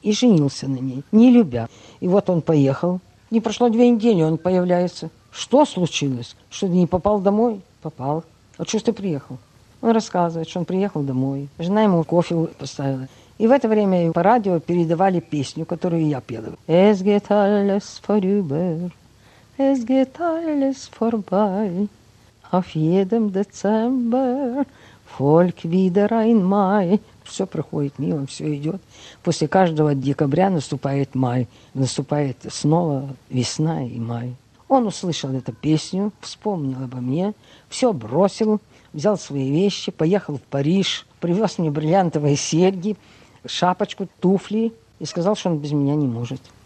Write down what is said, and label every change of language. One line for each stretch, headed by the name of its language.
Russian: И женился на ней, не любя. И вот он поехал. Не прошло 2 недели, он появляется. Что случилось? Что ты не попал домой? Попал. А что ты приехал? Он рассказывает, что он приехал домой. Жена ему кофе поставила. И в это время по радио передавали песню, которую я пела.
German: Es geht alles vorüber, es geht alles vorbei. Auf jedem Dezember, Volk wieder ein Mai.
Russian: Все проходит мимо, все идет. После каждого декабря наступает май. Наступает снова весна и май. Он услышал эту песню, вспомнил обо мне, все бросил, взял свои вещи, поехал в Париж, привез мне бриллиантовые серьги, шапочку, туфли и сказал, что он без меня не может.